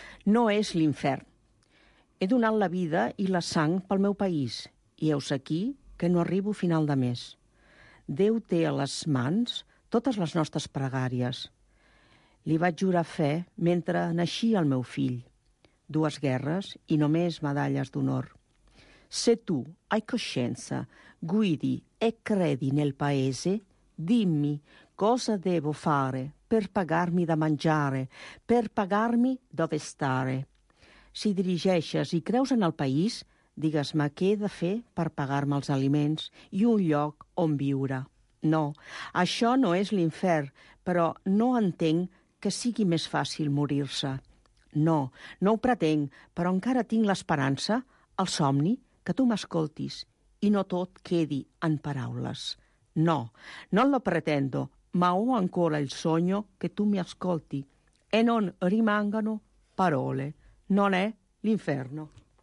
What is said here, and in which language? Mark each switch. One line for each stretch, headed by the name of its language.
Catalan: No és l'infern. He donat la vida i la sang pel meu país I heus aquí que no arribo a final de mes. Déu té a les mans totes les nostres pregàries. Li vaig jurar fe mentre naixia el meu fill. Dues guerres i només medalles d'honor.
Italian: Se tu, hai coscienza, guidi e credi nel paese, dimmi cosa devo fare per pagarmi da mangiare, per pagarmi dove stare.
Catalan: Si dirigeixes i creus en el país, digues-me què he de fer per pagar-me els aliments i un lloc on viure. No, això no és l'infern, però no entenc que sigui més fàcil morir-se. No, no ho pretenc, però encara tinc l'esperança, el somni, que tu m'escoltis i no tot quedi en paraules.
Italian: No, non lo pretendo, ma ho ancora il sogno che tu mi ascolti e non rimangano parole. Non è l'inferno.